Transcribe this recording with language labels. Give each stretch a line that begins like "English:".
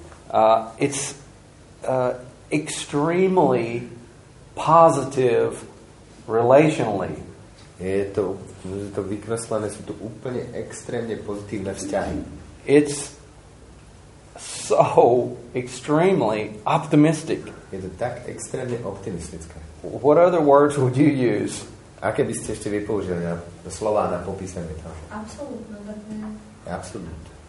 English: It's extremely positive relationally.
Slovak: Je to vykreslené, sú to úplne extrémne pozitívne vzťahy.
English: It's so extremely optimistic.
Slovak: Je to tak extrémne optimistické.
English: What other words would you use?
Slovak: Aké by ste ešte vypoužili na slova na popísanie toho? Absolútne. Absolútne.